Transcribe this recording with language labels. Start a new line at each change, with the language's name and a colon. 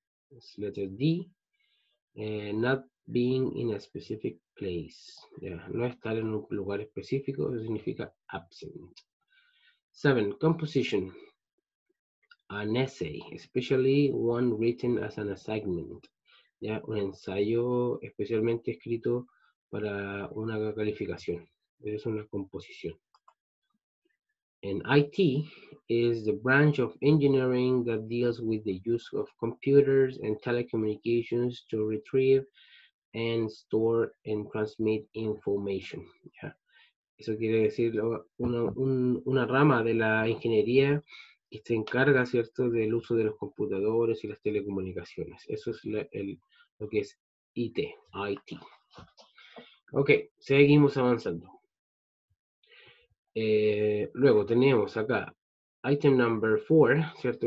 English: Es letter D, not being in a specific place. Yeah.
Spanish: No estar en un lugar específico, eso significa absent.
English: 7. Composition. An essay, especially one written as an assignment. Yeah.
Spanish: Un ensayo especialmente escrito para una calificación. Eso es una composición.
English: And IT is the branch of engineering that deals with the use of computers and telecommunications to retrieve and store and transmit information.
Spanish: ¿Ya? Eso quiere decir una rama de la ingeniería que se encarga, ¿cierto?, del uso de los computadores y las telecomunicaciones. Eso es lo que es IT, IT. Ok, seguimos avanzando. Luego tenemos acá,
English: item number 4,
Spanish: ¿cierto?